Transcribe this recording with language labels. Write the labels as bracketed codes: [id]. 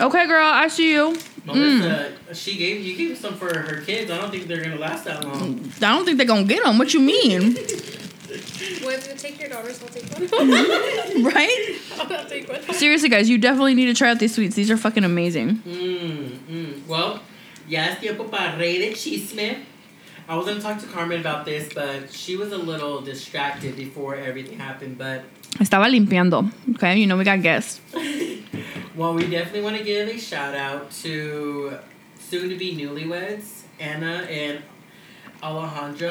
[en] Okay, girl. I see you. Melissa, you gave some for her kids. I don't think they're going to last that long. I don't think they're going to get them. What you mean? Well, if you take your daughters, I'll take one. Right? I'll take one. Seriously, guys, you definitely need to try out these sweets. These are fucking amazing. Well, [es] ya es tiempo para rey de chisme. [en] I was going to talk to Carmen about this, but she was a little distracted before everything happened, but... [es] Estaba limpiando. [en] Okay, you know we got guests. Well, we definitely want to give a shout out to soon-to-be newlyweds, Anna and Alejandro.